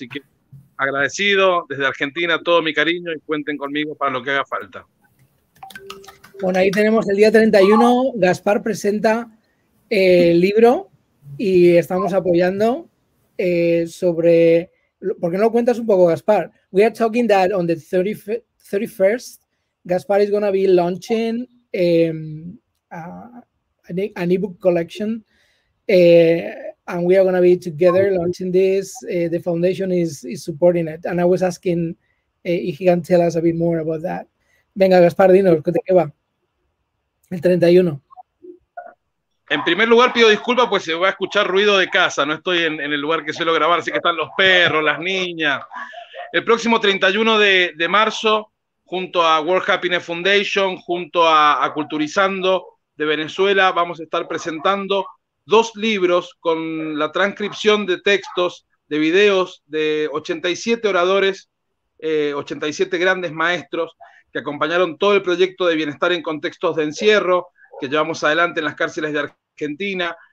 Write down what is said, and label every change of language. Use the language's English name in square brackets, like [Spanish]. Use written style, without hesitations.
[Spanish] Así que agradecido desde Argentina, todo mi cariño, y cuenten conmigo para lo que haga falta. Bueno, ahí tenemos el día 31. Gaspar presenta el libro y estamos apoyando sobre... ¿Por qué no lo cuentas un poco, Gaspar? [English] We are talking that on the 31st, Gaspar is going to be launching an ebook collection, and we are going to be together launching this. The foundation is supporting it, and I was asking if he can tell us a bit more about that. [Spanish] Venga, Gaspar, dinos, ¿qué te lleva? El 31. En primer lugar, pido disculpas, pues se va a escuchar ruido de casa. No estoy en el lugar que suelo grabar, así que están los perros, las niñas. El próximo 31 de marzo, junto a World Happiness Foundation, junto a Culturizando de Venezuela, vamos a estar presentando dos libros con la transcripción de textos, de videos, de 87 oradores, 87 grandes maestros que acompañaron todo el proyecto de bienestar en contextos de encierro que llevamos adelante en las cárceles de Argentina.